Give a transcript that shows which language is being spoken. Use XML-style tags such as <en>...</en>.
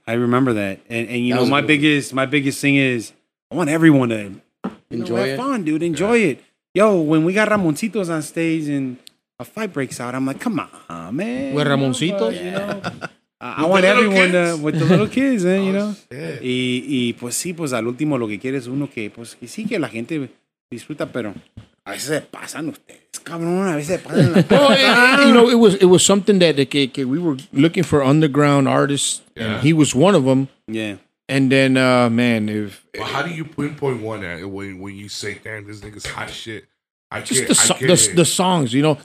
<en>And you know, my biggest thing is I want everyone to enjoy it. Have fun, dude. Enjoy it. Yo, when we got Ramoncitos on stage and a fight breaks out, I'm like, come on, man. With Ramoncitos? You know? I want everyone to, with the little kids, man, you know? Shit.</en> <es>Y pues sí, pues al último lo que quiere es uno que, pues que sí que la gente disfruta, pero a veces se pasan ustedes.</es> <en>You know, it was something that we were looking for underground artists, and he was one of them. Yeah. And then, man, if... But how do you pinpoint one at when you say, damn, this nigga's hot shit? The songs, you know?</en>